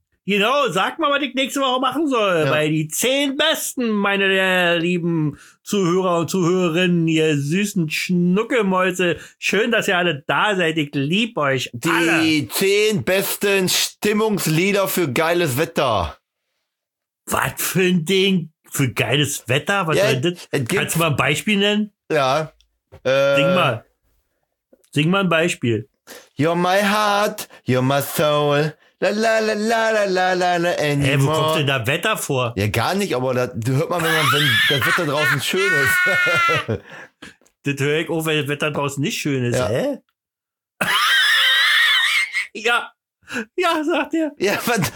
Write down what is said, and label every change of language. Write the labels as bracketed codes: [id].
[de] Genau, sag mal, was ich nächste Woche machen soll. Ja. Weil die 10 Besten, meine lieben Zuhörer und Zuhörerinnen, ihr süßen Schnuckelmäuse. Schön, dass ihr alle da seid. Ich lieb euch alle. Die 10 besten Stimmungslieder für geiles Wetter. Was für ein Ding? Für geiles Wetter? Was soll das? Kannst du mal ein Beispiel nennen? Ja. Sing mal ein Beispiel. [en] You're my heart, you're my soul. La la la la la la la la. [de] Ey, wo kommt denn da Wetter vor? Ja, gar nicht, aber das hört man, wenn das Wetter draußen schön ist. Das höre ich auch, wenn das Wetter draußen nicht schön ist, hä? Ja. Ja, sagt er. Ja, was?